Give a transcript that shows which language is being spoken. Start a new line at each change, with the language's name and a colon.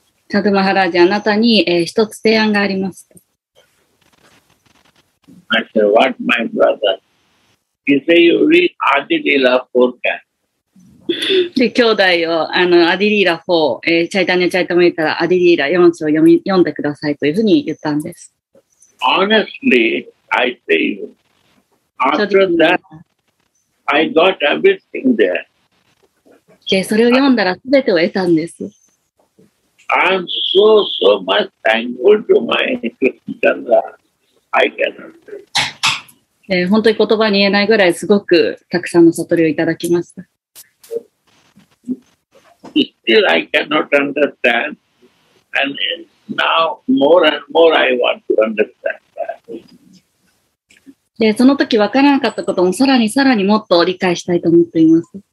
Japanese: サドマハラージ、あなたに、一つ提案があります。
English: I said, what, my brother? He said, you read Adi Leela 4.
Japanese: で、兄弟を、アディリーラ4、チャイタニャチャイタムリタラ、アディリーラ4章を読んでくださいというふうに言ったんです。
English: Honestly, I say you. After that, I got everything there.
Japanese: で、それを読んだら全てを得たんです。
English: I'm so, so much thankful to my Krishna. I cannot say.
Japanese: 本当に言葉に言えないぐらいすごくたくさんの悟りをいただきました。
English: Still, I cannot understand. And now, more and more, I want to understand.
Japanese: でその時分からなかったこともさらにさらにもっと理解したいと思っています。